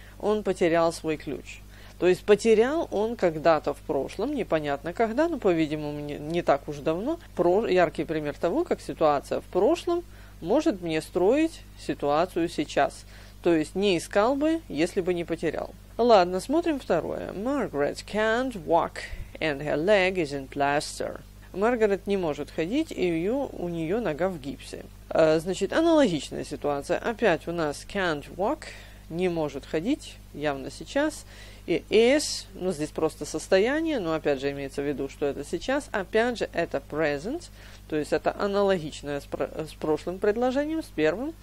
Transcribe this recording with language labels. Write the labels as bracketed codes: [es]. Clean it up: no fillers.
[ru] Он потерял свой ключ. То есть потерял он когда-то в прошлом, непонятно когда, но, по-видимому, не так уж давно. Яркий пример того, как ситуация в прошлом может мне строить ситуацию сейчас. То есть не искал бы, если бы не потерял. Ладно, смотрим второе. [en] Margaret can't walk and her leg is in plaster. [ru] Маргарет не может ходить, и у нее нога в гипсе. Значит, аналогичная ситуация. Опять у нас [en] can't walk, [ru] не может ходить, явно сейчас. И is, ну здесь просто состояние, но опять же имеется в виду, что это сейчас. Опять же, это present, то есть это аналогичное с прошлым предложением, с первым.